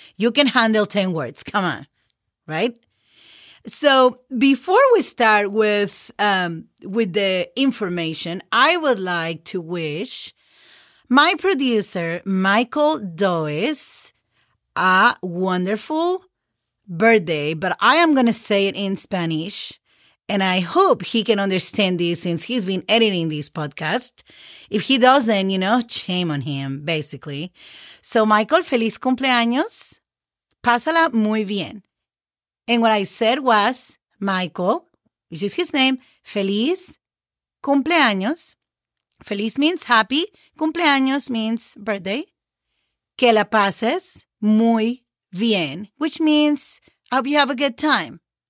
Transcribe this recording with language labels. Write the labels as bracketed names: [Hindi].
[English] You can handle 10 words. Come on, right? So before we start with the information, I would like to wish my producer, Michael Doez, a wonderful birthday, but I am going to say it in Spanish, and I hope he can understand this since he's been editing this podcast. If he doesn't, you know, shame on him, basically. So [Spanish] Michael, feliz cumpleaños. Pásala muy bien. [English] And what I said was, Michael, which is his name, [Spanish] feliz cumpleaños. [English] Feliz means happy. Cumpleaños means birthday. [Spanish] Que la pases muy bien, [English] which means I hope you have a good time.